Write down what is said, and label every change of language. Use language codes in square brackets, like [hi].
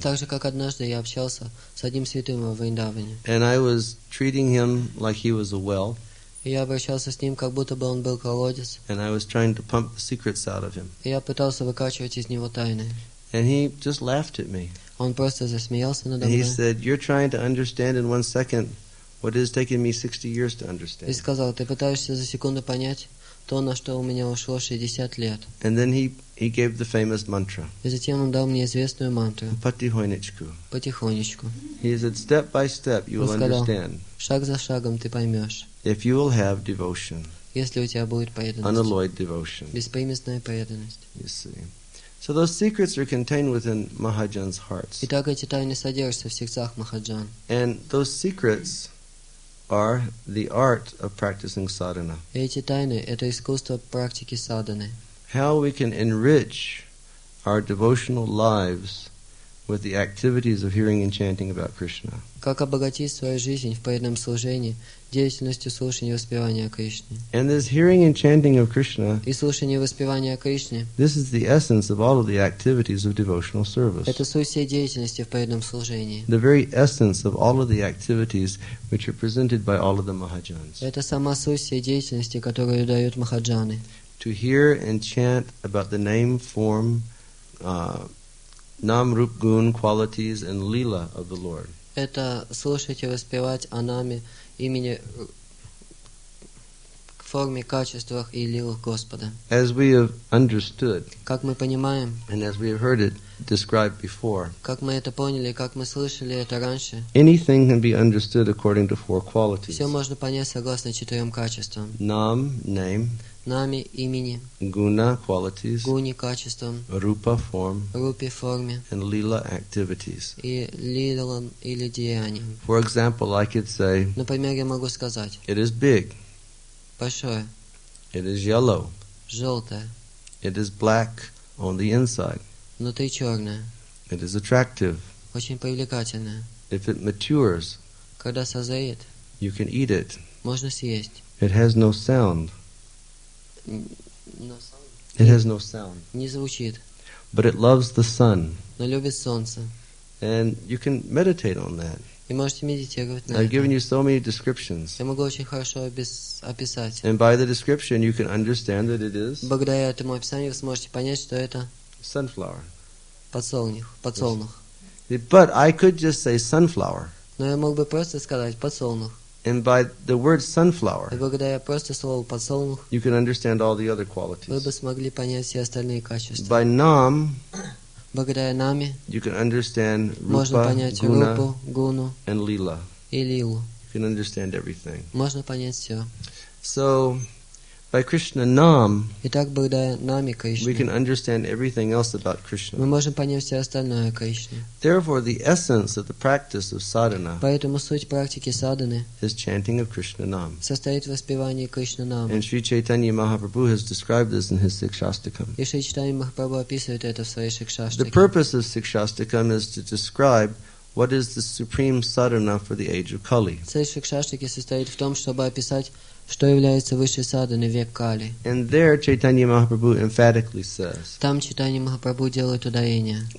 [ru] Так же, как однажды я общался с одним святым в Вриндаване. [en] And I was treating him like he was a well. [ru] Я обращался с ним, как будто бы он был колодец. [en] And I was trying to pump the secrets out of him. [ru] Я пытался выкачивать из него тайны. [en] And he just laughed at me. [ru] Он просто засмеялся надо мной. [en] And he said, "You're trying to understand in one second what it has taken me 60 years to understand." [ru] И сказал, ты пытаешься за секунду понять то, на что у меня ушло 60 лет. [en] And then he gave the famous mantra. [ru] И затем он дал мне известную мантру. Потихонечку. Потихонечку. [en] He said, "Step by step, you will understand." [ru] Шаг за шагом ты поймешь. [en] If you will have devotion, [ru] если у тебя будет преданность, [en] unalloyed devotion, [ru] беспримесная преданность. [en] You see, so those secrets are contained within Mahajan's hearts. [ru] Итак, эти тайны содержатся в сердцах Махаджан. [en] And those secrets are the art of practicing sadhana. [ru] Эти тайны — это искусство практики садханы. [en] How we can enrich our devotional lives with the activities of hearing and chanting about Krishna. [ru] Как обогатить свою жизнь в преданном служении деятельностью слушания и воспевания Кришны? [en] And this hearing and chanting of Krishna. [ru] И слушание и воспевание Кришны. [en] This is the essence of all of the activities of devotional service. [ru] Это суть всей деятельности в преданном служении. [en] The very essence of all of the activities which are presented by all of the Mahajans. [ru] Это сама суть всей деятельности, которую дают Махаджаны. [en] To hear and chant about the name, form, Nam Rup Gun qualities and Leela of the Lord. [ru] Это слушать и воспевать о наме, имени, форме, качествах и лилах Господа. [en] As we have understood. [ru] Как мы понимаем. [en] And as we have heard it described before. [ru] Как мы это поняли, как мы слышали это раньше. [en] Anything can be understood according to four qualities. [ru] Все можно понять согласно четырем качествам. [en] Nam, name. [ru] Нами, имени. [en] Guna, qualities. [ru] Гуни, качеством. [en] Rupa, form. [ru] Рупи, форме. [en] And Leela, activities. [ru] И Лилам, или деяниям. [en] For example, I could say. [ru] Например, я могу сказать. [en] It is big. [ru] Большое. [en] It is yellow. [ru] Желтое. [en] It is black on the inside. [ru] Внутри черное. [en] It is attractive. [ru] Очень привлекательное. [en] If it matures. [ru] Когда созреет. [en] You can eat it. [ru] Можно съесть. [en] It has no sound. It has no sound. [ru] Не звучит. [en] But it loves the sun. [ru] Но любит солнце. [en] And you can meditate on that. [ru] И можете медитировать на [en] это. I've given you so many descriptions. [ru] Я могу очень хорошо описать. [en] And by the description, you can understand that it is. [ru] Благодаря этому описанию вы сможете понять, что это. [en] Sunflower. [ru] Подсолнух. [en] But I could just say sunflower. [ru] Но я мог бы просто сказать подсолнух. [en] And by the word sunflower, [ru] и благодаря просто слову подсолнух, [en] you can understand all the other qualities. [ru] Вы бы смогли понять все остальные качества. [en] By nam, [ru] благодаря нами, [en] you can understand [ru] можно [en] rupa, [ru] понять [en] guna, [ru] рупу, гуну [en] and lila. [ru] И лилу. [en] You can understand everything. [ru] Можно понять все. [en] So, By Krishna Nam, [ru] Итак, благодаря Наме Кришне, [en] we can understand everything else about Krishna. [ru] Мы можем понять все остальное о Кришне. [en] Therefore, the essence of the practice of sadhana, [ru] поэтому суть практики садханы, [en] is chanting of Krishna Nam. [ru] Состоит в воспевании Кришна Нам. [en] And Sri Chaitanya Mahaprabhu has described this in his Sikshastakam. [ru] И Шри Чайтанья Махапрабху описывает это в своей Сикшастике. [en] The purpose of Sikshastakam is to describe what is the supreme sadhana for the age of Kali. [ru] Цель Сикшастики состоит в том, чтобы описать, что является высшей садханой век Кали. [en] And there Chaitanya Mahaprabhu emphatically says, [ru] там Чайтанья Махапрабху делает ударение,